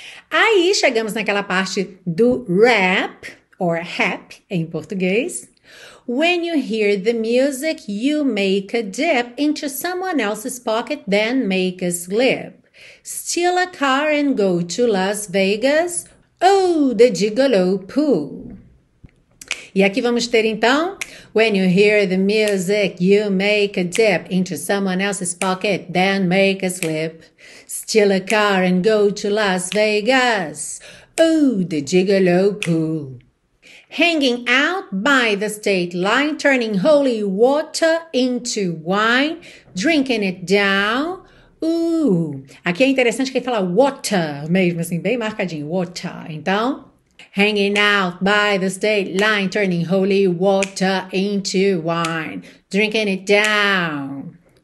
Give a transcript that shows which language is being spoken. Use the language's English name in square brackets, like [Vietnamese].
[Portuguese] Aí chegamos naquela parte do rap, or rap em português. [English] When you hear the music, you make a dip into someone else's pocket, then make a slip. Steal a car and go to Las Vegas. Oh, the gigolo pool. [Portuguese] E aqui vamos ter então. [English] When you hear the music, you make a dip into someone else's pocket, then make a slip. Steal a car and go to Las Vegas. Oh, the gigolo pool. Hanging out by the state line, turning holy water into wine, drinking it down. [Portuguese] Aqui é interessante que ele fala water mesmo, assim, bem marcadinho, water. [English] Então, hanging out by the state line, turning holy water into wine, drinking it down.